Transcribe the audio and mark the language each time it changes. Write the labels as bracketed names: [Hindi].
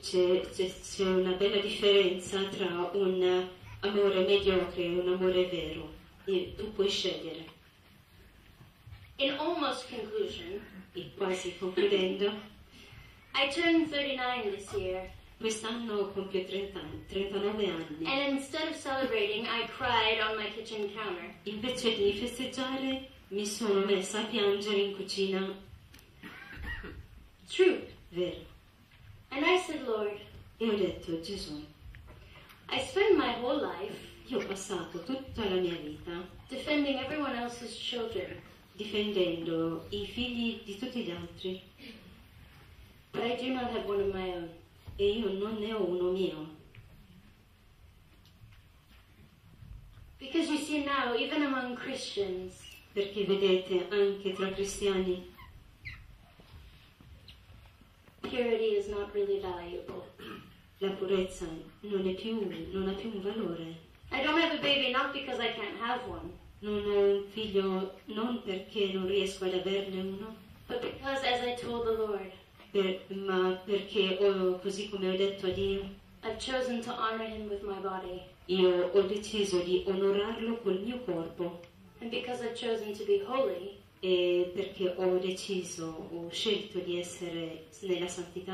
[Italian] C'è una bella differenza tra un amore mediocre e un amore vero. E tu puoi scegliere. [English] In almost conclusion, [Italian] e quasi concludendo, [English] I turned 39 this year. [Italian] Quest'anno compio 39 anni. [English] And instead of celebrating, I cried on my kitchen counter. [Italian] Invece di festeggiare, mi sono messa a piangere in cucina. [English] True. [Italian] Vero. [English] And I said, Lord. [Italian] E ho detto, Gesù. [English] I spend my whole life. [Italian] Io ho passato tutta la mia vita. [English] Defending everyone else's children. [Italian] Difendendo i figli di tutti gli altri. [English] But I do not have one of my own. [Italian] E io non ne ho uno mio. [English] Because you see now, even among Christians, [Italian] perché vedete, anche tra cristiani, [English] purity is not really valuable. [Italian] La purezza non è più, non ha più un valore. [English] I don't have a baby not because I can't have one. [Italian] Non ho un figlio non perché non riesco ad averne uno. [English] But because, as I told the Lord, [Italian] ma perché così come ho detto a Dio, [English] I've chosen to honor him with my body. [Italian] Io ho deciso di onorarlo col mio corpo. [English] And because I've chosen to be holy, [Italian] e perché ho deciso, ho scelto di essere nella santità,